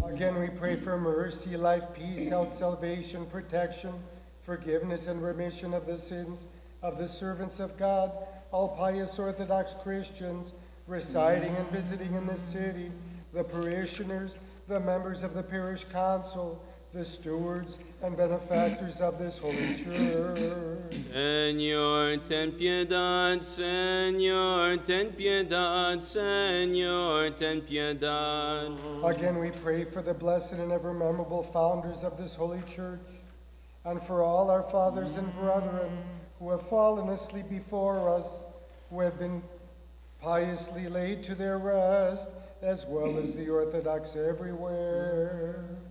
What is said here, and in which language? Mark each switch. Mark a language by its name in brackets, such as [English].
[English] Again we pray for mercy, life, peace, health, salvation, protection, forgiveness and remission of the sins of the servants of God, all pious Orthodox Christians residing and visiting in the city, the parishioners, the members of the parish council, the stewards and benefactors of this holy church. [Spanish] Señor, ten piedad, Señor, ten piedad, Señor, ten piedad. [English] Again, we pray for the blessed and ever memorable founders of this holy church, and for all our fathers and brethren who have fallen asleep before us, who have been piously laid to their rest, as well as the Orthodox everywhere.